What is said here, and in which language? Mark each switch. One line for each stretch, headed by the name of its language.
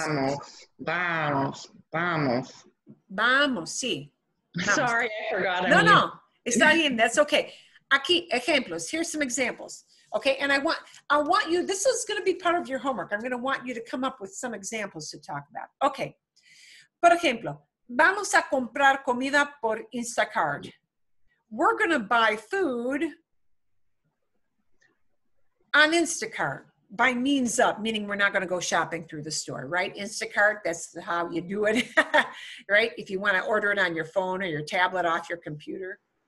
Spanish: Vamos, vamos, vamos. Vamos, sí. Vamos.
English: Sorry, I forgot. No. It's not even, that's okay.
Spanish: Aquí, ejemplos.
English: Here's some examples. Okay, and I want you, this is going to be part of your homework. I'm going to want you to come up with some examples to talk about. Okay.
Spanish: Por ejemplo, vamos a comprar comida por Instacart.
English: We're going to buy food on Instacart by means of, meaning we're not going to go shopping through the store, right? Instacart, that's how you do it, right? If you want to order it on your phone or your tablet off your computer.